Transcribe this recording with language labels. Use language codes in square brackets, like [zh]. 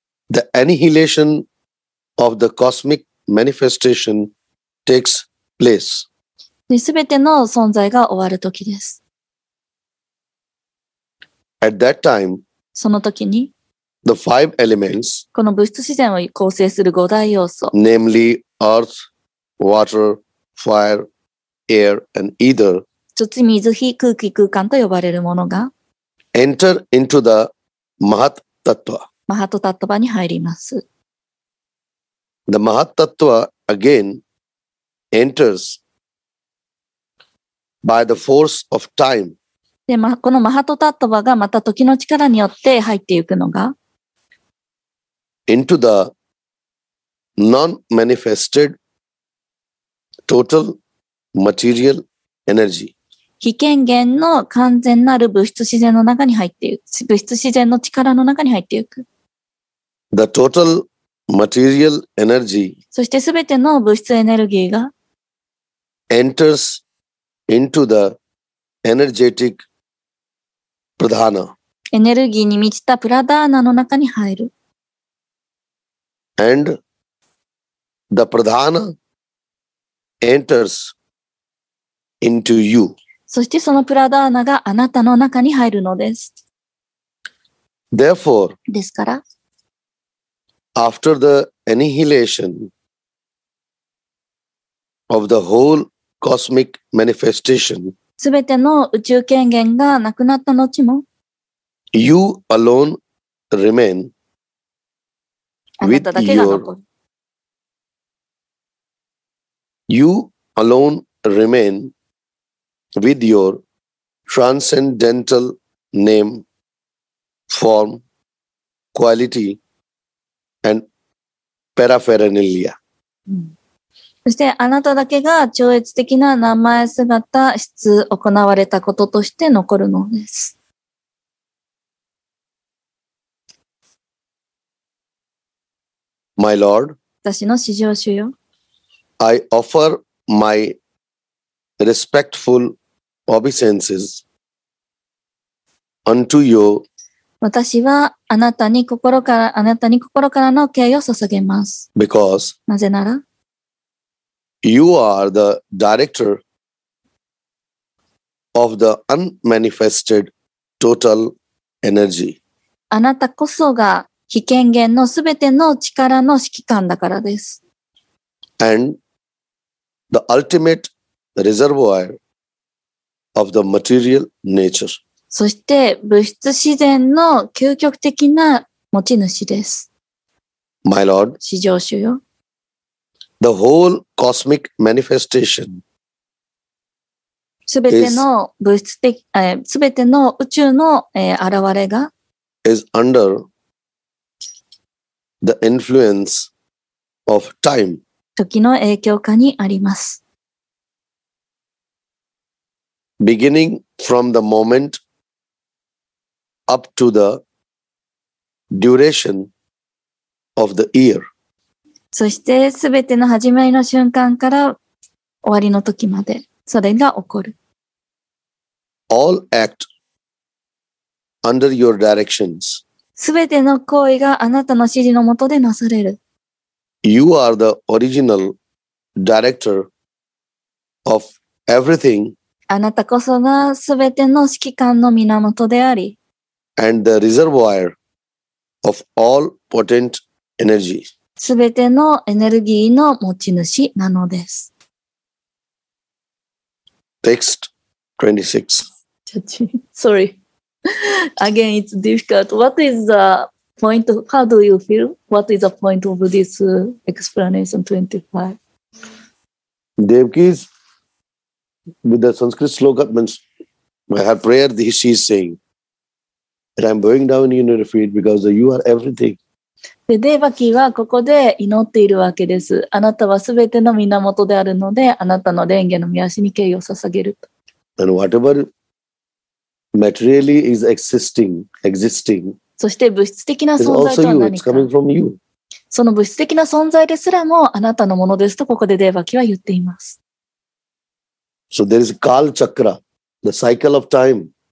[en] The annihilation of the cosmic manifestation takes place. [ja] で、すべての存在が終わるときです。 [en] At that time, [ja] そのときに、 [en] the five elements, [ja] この物質自然を構成する五大要素、 [en] namely earth, water, fire, air, and ether, [ja] 土、水、火、空気、空間と呼ばれるものが、 [en] enter into the Mahat Tattva. [ja] マハトタットバに入ります。 [en] The Mahatattva again enters by the force of time. [ja] で、このマハトタットバがまた時の力によって入っていくのが [en] into the non-manifested total material energy. [ja] 非権限の完全なる物質自然の中に入っていく、物質自然の力の中に入っていく。 [en] The total material energy. [ja] そしてすべての物質エネルギーが [en] enters into the energetic pradhana. [ja] エネルギーに満ちたプラダーナの中に入る。 [en] And the pradhana enters into you. [ja] そしてそのプラダーナがあなたの中に入るのです。 [en] Therefore. [ja] ですから。 [en] After the annihilation of the whole cosmic manifestation, [ja] 全ての宇宙権限がなくなった後も、 [en] you alone remain with your, you alone remain with your transcendental name, form, qualityAnd paraphernalia. [ja] そしてあなただけが超越的な名前姿質行われたこととして残るのです。 [en] My Lord, [ja] 私の至上主よ。 [en] I offer my respectful obeisances unto you. [ja] 私はあなたに心から、あなたに心からの敬意を注げます。 [en] Because [ja] なぜなら、 [en] You are the director of the unmanifested total energy. [ja] あなたこそが非権限のすべての力の指揮官だからです。 [en] And the ultimate reservoir of the material nature. [ja] そして物質自然の究極的な持ち主です。 [en] My Lord. [ja] 至上主よ。 [en] The whole cosmic manifestation. [ja] すべての物質的、すべての宇宙の、現れが [en] is under the influence of time. [ja] 時の影響下にあります。 [en] Beginning from the moment up to the duration of the year. [ja] そしてすべての始まりの瞬間から終わりの時まで、それが起こる。 [en] All act under your directions. [ja] すべての行為があなたの指示のもとでなされる。 [en] You are the original director of everything. [ja] あなたこそがすべての指揮官の源であり。 [en] And the reservoir of all potent energy. [ja] すべてのエネルギーの持ち主なのです。 [en] Text 26. Sorry. Again, it's difficult. What is the point of, how do you feel? What is the point of this explanation 25? Devaki is, with the Sanskrit sloka, means her prayer, she is saying that I'm bowing down in your feet because you are everything. [ja] で、デバキはここで祈っているわけです。あなたはすべての源であるので、あなたの蓮華の御足に敬意を捧げると。 [en] And whatever materially is existing, [ja] そして物質的な存在とは何か。その物質的な存在ですらもあなたのものですとここでデーバキは言っています。 [en] So there is Kala Chakra, the cycle of time.